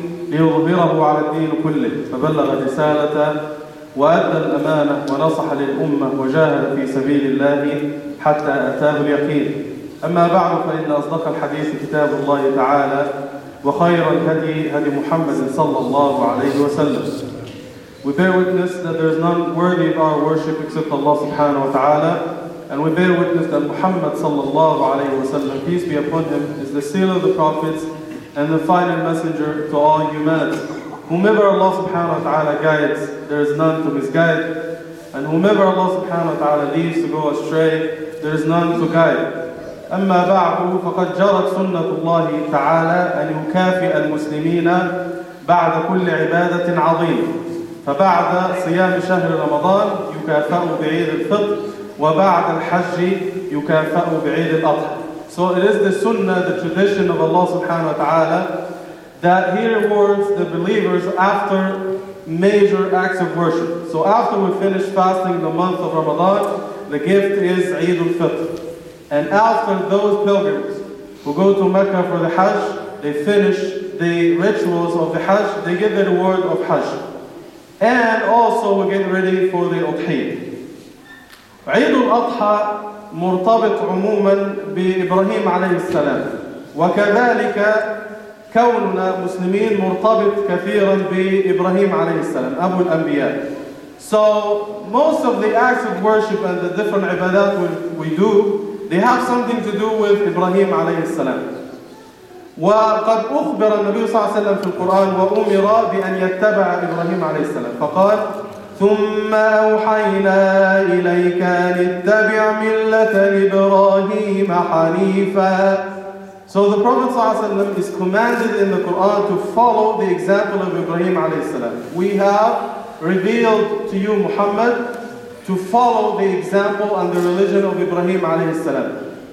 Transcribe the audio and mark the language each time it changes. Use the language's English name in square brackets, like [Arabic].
[Arabic] ليظهره على الدين كله، فبلغ رسالة وأدى الأمانة ونصح للأمة وجاهد في سبيل الله حتى أتاه اليقين. أما بعد، فإن أصدق الحديث كتاب الله تعالى، وخير الهدي هدي محمد صلى الله عليه وسلم. [English] We bear witness that there is none worthy of our worship except Allah subhanahu wa ta'ala, and we bear witness that Muhammad sallallahu alayhi wa sallam, peace be upon him, is the seal of the prophets and the final messenger to all humanity. Whomever Allah subhanahu wa ta'ala guides, there is none to misguide, and whomever Allah subhanahu wa ta'ala leaves to go astray, there is none to guide. [Arabic] أما بعد، فقد جرت سنة الله تعالى أن يكافئ المسلمين بعد كل عبادة عظيمة، فبعد صيام شهر رمضان يكافأ بعيد الفطر، وبعد الحج يكافأ بعيد الأضحى. [English] So it is the sunnah, the tradition of Allah subhanahu wa ta'ala, that He rewards the believers after major acts of worship. So after we finish fasting the month of Ramadan, the gift is Eid al-Fitr. And after those pilgrims who go to Mecca for the Hajj, they finish the rituals of the Hajj, they get the reward of Hajj. And also we get ready for the Udhiyah. [Arabic] عيد الأضحى مرتبط عموما بإبراهيم عليه السلام، وكذلك كوننا مسلمين مرتبط كثيرا بإبراهيم عليه السلام أبو الأنبياء. [English] So most of the acts of worship and the different عبادات we do, they have something to do with إبراهيم عليه السلام. [Arabic] وقد أخبر النبي صلى الله عليه وسلم في القرآن وأمر بأن يتبع إبراهيم عليه السلام، فقال ثم أوحينا إليك أن اتبع ملة إبراهيم حنيفا. [English] So the Prophet صلى الله عليه وسلم is commanded in the Quran to follow the example of Ibrahim عليه السلام. We have revealed to you Muhammad to follow the example and the religion of Ibrahim عليه السلام.